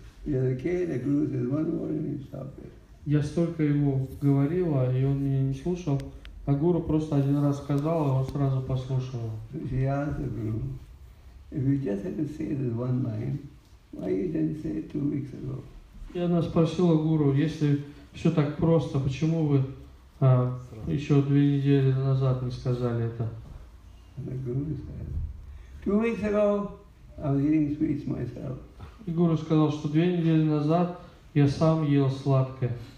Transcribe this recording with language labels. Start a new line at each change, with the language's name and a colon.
English: The other kid, the guru says one word and he stopped it.
Russian: Я столько ему говорила, и он меня не слушал. А гуру просто один раз сказал, а он сразу послушал.
English: She asked the guru, if you just had to say this one line, why you didn't say it 2 weeks ago?
Russian: И она спросила гуру, если все так просто, почему вы еще две недели назад не сказали это?
English: And the guru said, 2 weeks ago, I was eating sweets myself.
Russian: И гуру сказал, что две недели назад я сам ел сладкое.